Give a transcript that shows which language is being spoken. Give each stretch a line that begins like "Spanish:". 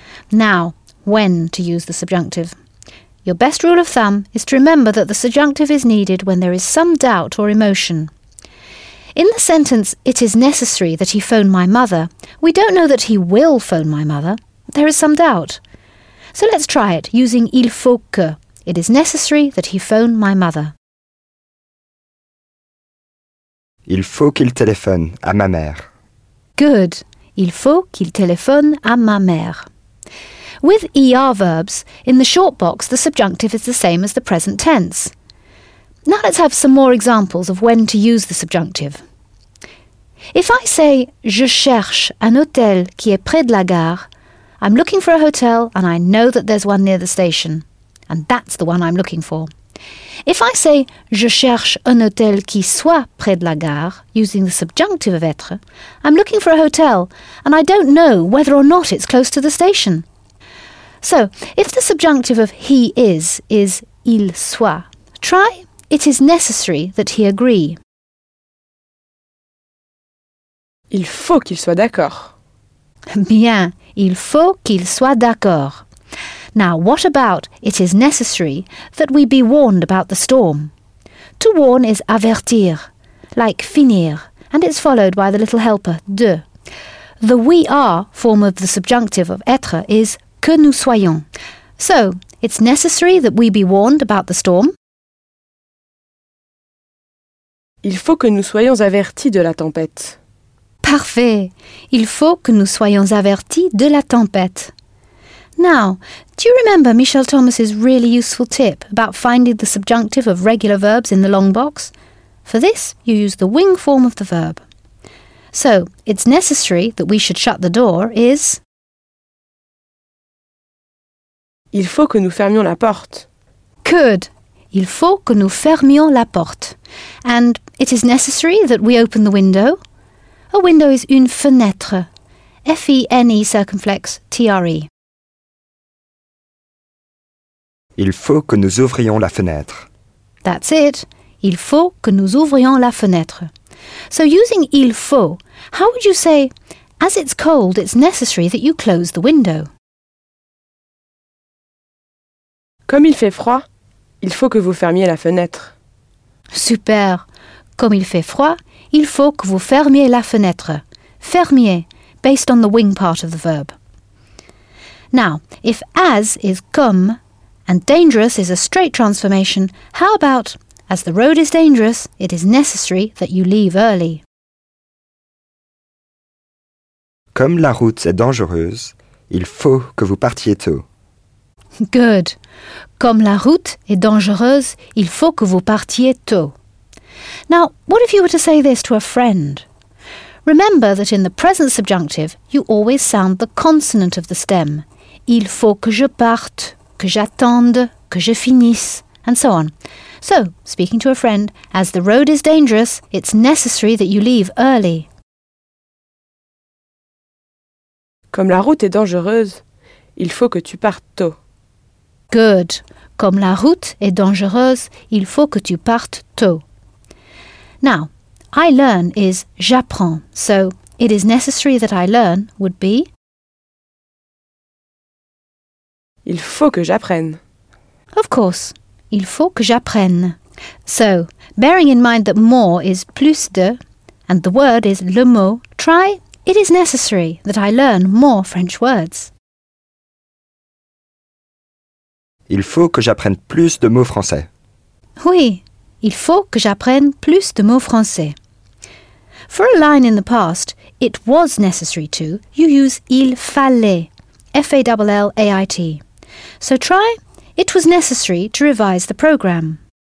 English: Now, when to use the subjunctive. Your best rule of thumb is to remember that the subjunctive is needed when there is some doubt or emotion. In the sentence, it is necessary that he phone my mother, we don't know that he will phone my mother. There is some doubt. So let's try it using il faut que. It is necessary that he phone my mother.
French: Il faut qu'il téléphone à ma mère.
English: Good.
French: Il faut qu'il téléphone à ma mère.
English: With ER verbs, in the short box, the subjunctive is the same as the present tense. Now let's have some more examples of when to use the subjunctive. If I say,
French: je cherche un hôtel qui est près de la gare,
English: I'm looking for a hotel and I know that there's one near the station. And that's the one I'm looking for. If I say,
French: je cherche un hôtel qui soit près de la gare,
English: using the subjunctive of être, I'm looking for a hotel and I don't know whether or not it's close to the station. So, if the subjunctive of he is il soit, try it is necessary that he agree.
French: Il faut qu'il soit d'accord. Bien, il faut qu'il soit d'accord.
English: Now, what about it is necessary that we be warned about the storm? To warn is avertir, like finir, and it's followed by the little helper, de. The we are form of the subjunctive of être is que nous soyons. So, it's necessary that we be warned about the storm.
French: Il faut que nous soyons avertis de la tempête. Parfait. Il faut que nous soyons avertis de la tempête.
English: Now, do you remember Michel Thomas's really useful tip about finding the subjunctive of regular verbs in the long box? For this, you use the wing form of the verb. So, it's necessary that we should shut the door is...
French: Il faut que nous fermions la porte.
English: Good.
French: Il faut que nous fermions la porte.
English: And it is necessary that we open the window. A window is une fenêtre. F-E-N-E circumflex T-R-E.
French: Il faut que nous ouvrions la fenêtre.
English: That's it.
French: Il faut que nous ouvrions la fenêtre.
English: So using il faut, how would you say, as it's cold, it's necessary that you close the window?
French: Comme il fait froid, il faut que vous fermiez la fenêtre.
English: Super.
French: Comme il fait froid, il faut que vous fermiez la fenêtre.
English: Fermier, based on the wing part of the verb. Now, if as is comme, and dangerous is a straight transformation, how about, as the road is dangerous, it is necessary that you leave early?
French: Comme la route est dangereuse, il faut que vous partiez tôt.
English: Good.
French: Comme la route est dangereuse, il faut que vous partiez tôt.
English: Now, what if you were to say this to a friend? Remember that in the present subjunctive, you always sound the consonant of the stem.
French: Il faut que je parte, que j'attende, que je finisse,
English: and so on. So, speaking to a friend, as the road is dangerous, it's necessary that you leave early.
French: Comme la route est dangereuse, il faut que tu partes tôt.
English: Good.
French: Comme la route est dangereuse, il faut que tu partes tôt.
English: Now, I learn is j'apprends. So, it is necessary that I learn would be...
French: Il faut que j'apprenne.
English: Of course.
French: Il faut que j'apprenne.
English: So, bearing in mind that more is plus de, and the word is le mot, try it is necessary that I learn more French words.
French: Il faut que j'apprenne plus de mots français. Oui, il faut que j'apprenne plus de mots français.
English: For a line in the past, it was necessary to, you use il fallait, F-A-L-L-A-I-T. So try, it was necessary to revise the programme.